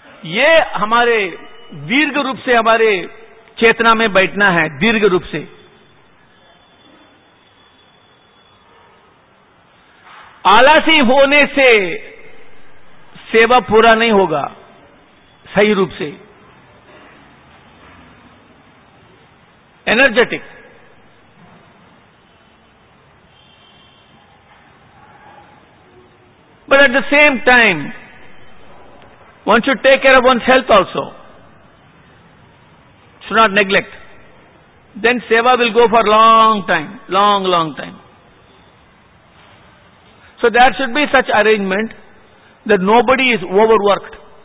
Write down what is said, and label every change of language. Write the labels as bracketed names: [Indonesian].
[Urdu] یہ ہمارے دیرگ روپ سے ہمارے چیتنا میں بیٹھنا ہے, دیرگ روپ سے. آلسی ہونے سے سیوا پورا نہیں ہوگا صحیح روپ سے. [English] Energetic but at the same time One should take care of one's health also. Should not neglect. Then seva will go for long time. Long, long time. So there should be such arrangement that nobody is overworked.